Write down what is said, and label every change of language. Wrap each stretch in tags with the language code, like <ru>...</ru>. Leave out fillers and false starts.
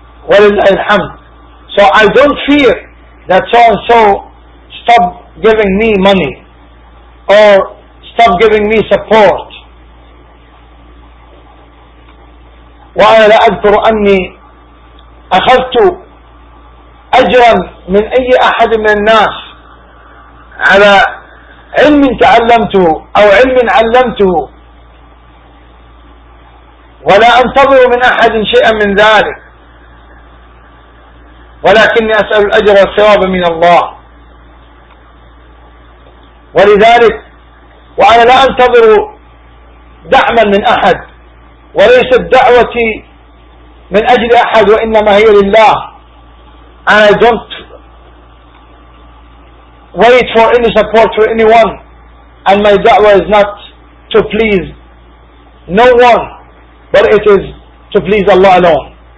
<ar>وَلِلَّهِ الْحَمْدِ.</ar> <en>So I don't fear that so-and-so stop giving me money or stop giving me support.</en> <ar>وَأَنَا لَأَذْكُرُ أَنِّي أَخَذْتُ أَجْرًا مِنْ أَيِّ أَحَدٍ مِنَ النَّاسِ عَلَى عِلْمٍ تَعَلَّمْتُهُ أَوْ عِلْمٍ عَلَّمْتُهُ وَلَا أَنْتَظِرُ مِنْ أَحَدٍ شَيْئًا مِنْ ذَلِكَ ولكني أسأل الأجر والثواب من الله. ولذلك وأنا لا أنتظر دعما من أحد، وليست دعوتي من أجل أحد، وإنما هي لله.</ar> <en>And I don't wait for any support for anyone, and my da'wah is not to please no one, but it is to please Allah alone.</en>